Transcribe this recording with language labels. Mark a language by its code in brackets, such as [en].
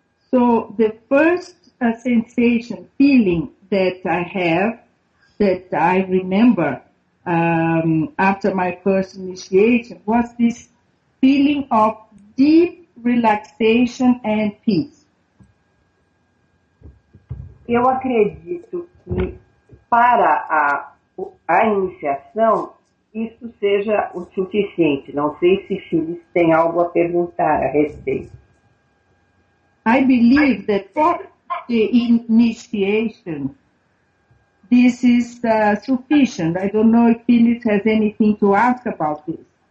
[en] So, the first sensation, feeling that I have, that I remember after my first initiation, was this feeling of deep relaxation and peace. [pt] Eu acredito que para a iniciação, isso seja o suficiente. Não sei se Phyllis tem algo a perguntar a respeito. [en] I believe that for the initiation, this is sufficient. I don't know if Phyllis has anything to ask about this.